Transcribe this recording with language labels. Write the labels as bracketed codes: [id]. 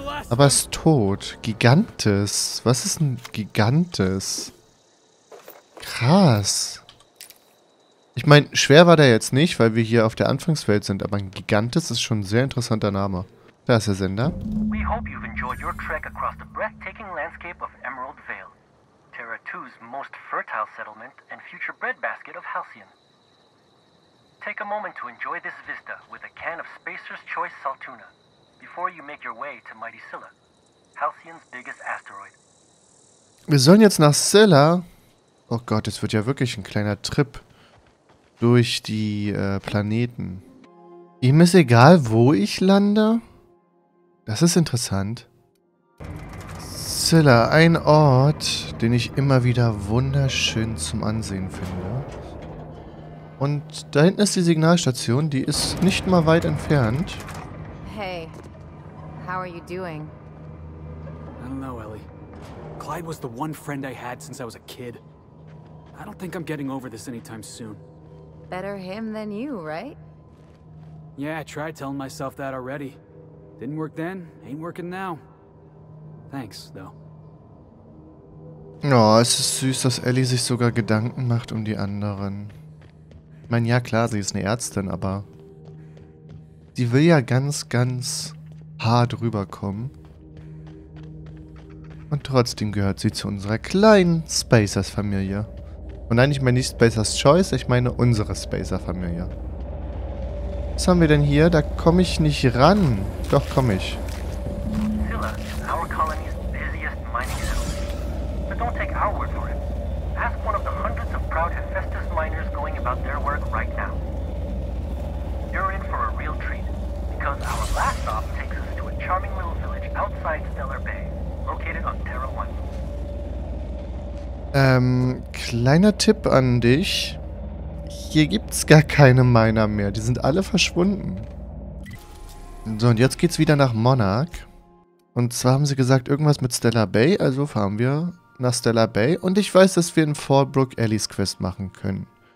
[de] Aber ist tot. Gigantes. Was ist ein Gigantes? Krass. Ich meine, schwer war der jetzt nicht, weil wir hier auf der Anfangswelt sind, aber ein Gigantes ist schon ein sehr interessanter Name. Da ist der Sender. [en] We hope you've enjoyed your trek across the breathtaking landscape of Emerald Vale, Terra 2's most fertile settlement and future breadbasket of Halcyon. Take a moment to enjoy this vista with a can of Spacer's Choice Saltuna. Before you make your way to Mighty Scylla, Halcyon's biggest asteroid. [de] Wir sollen jetzt nach Scylla. Oh Gott, es wird ja wirklich ein kleiner Trip durch die Planeten. Ihm ist egal, wo ich lande. Das ist interessant. Scylla, ein Ort, den ich immer wieder wunderschön zum Ansehen finde. Und da hinten ist die Signalstation, die ist nicht mal weit entfernt. [en] Hey. How are you doing? I don't know, Ellie. Clyde was the one friend I had since I was a kid. I don't think I'm getting over this anytime soon. Better him than you, right? Yeah, I tried telling myself that already. Didn't work then, ain't working now. Thanks, though. [de] Oh, es ist süß, dass Ellie sich sogar Gedanken macht um die anderen. Ich meine, ja klar, sie ist eine Ärztin, aber sie will ja ganz, ganz hart rüberkommen. Und trotzdem gehört sie zu unserer kleinen Spacers-Familie. Und nein, ich meine nicht Spacers Choice, ich meine unsere Spacer-Familie. Was haben wir denn hier? Da komme ich nicht ran. Doch, komme ich. [en] Scylla, our colony's busiest mining settlement. But don't take our word for it. Ask one of the hundreds of proud Hephaestus miners going about their work right now. You're in for a real treat. Because our last stop takes us to a charming little village outside Stellar Bay, located on Terra 1. [de] Kleiner Tipp an dich. Hier gibt's gar keine Miner mehr. Die sind alle verschwunden. So, und jetzt geht's wieder nach Monarch. Und zwar haben sie gesagt, irgendwas mit Stellar Bay. Also fahren wir nach Stellar Bay. Und ich weiß, dass wir in Fallbrook Ellies Quest machen können.